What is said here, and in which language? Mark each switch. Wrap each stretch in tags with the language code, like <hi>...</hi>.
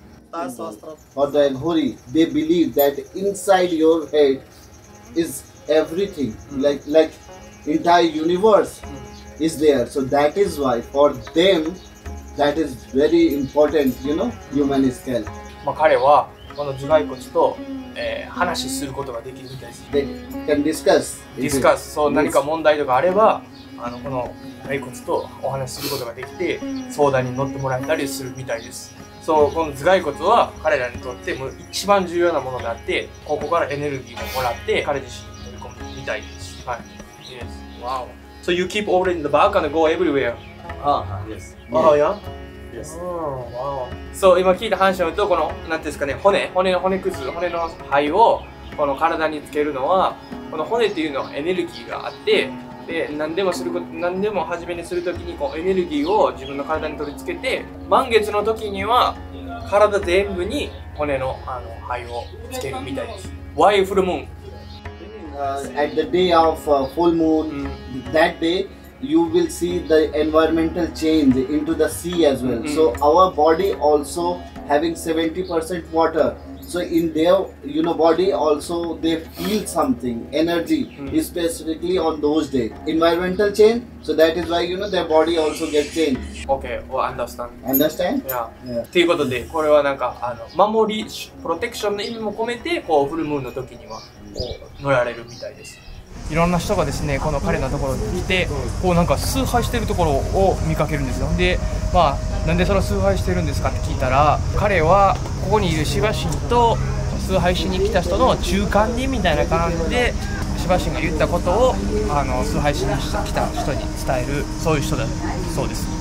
<en>For the Ghori, they believe that inside your head is everything, like entire universe is there. So that is why for them, that is very important, you know, human skull.</en> <ja>まあ彼はこの頭蓋骨と、話しすることができるみたいです。</ja> <en>They can discuss. Discuss.</en> <ja>そう、何か問題とかあれば、あのこの骸骨とお話しすることができて相談に乗ってもらえたりするみたいです。そう、この頭蓋骨は彼らにとってもう一番重要なものであって、ここからエネルギーももらって彼自身に取り込むみたいです。</ja> <en>はい、yes. Wow. So you keep all in the back and go everywhere? Yes. Oh, yeah? Yes. Oh, wow.</en> <ja>So 今聞いた話によると、この何て言うんですかね、骨の灰をこの体につけるのは、この骨っていうのはエネルギーがあって、で何でもすること、何でも初めにするときにこうエネルギーを自分の体に取り付けて、満月の時には体全部に骨 の, あの灰をつけるみたいです。</ja> <en>Why full moon? At the day of full moon, that day you will see the environmental change into the sea as well. So our body also having 70% water. So in their, you know, body also they feel something, energy, specifically on those days. Environmental change, so that is why, you know, their body also gets changed. Okay, well, understand. Understand? Yeah.</en> <ja>ということで、これはなんか、あの、守り、プロテクションの意味も込めて、こう、フルムーンの時には、こう、乗られるみたいです。いろんな人がですね、この彼のところに来て、こうなんか崇拝してるところを見かけるんですよ。で、まあ、なんでその崇拝してるんですかって聞いたら、彼はここにいるシバ神と崇拝しに来た人の中間人みたいな感じで、シバ神が言ったことをあの崇拝しに来た人に伝える、そういう人だそうです。</ja>